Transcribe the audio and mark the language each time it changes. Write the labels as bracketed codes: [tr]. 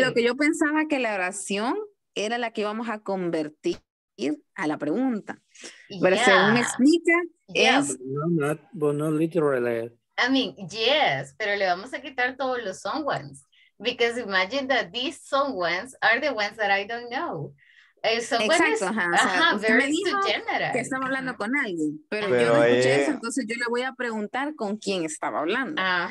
[es] Lo que yo pensaba que la oración era la que íbamos a convertir a la pregunta. Pero según me explica, es... [en] No, literally. I mean, yes, [es] pero le vamos a quitar todos los someones. [en] Because imagine that these someones are the ones that I don't know. [es] Que estaba hablando con alguien, pero yo no escuché eso, entonces yo le voy a preguntar con quién estaba hablando.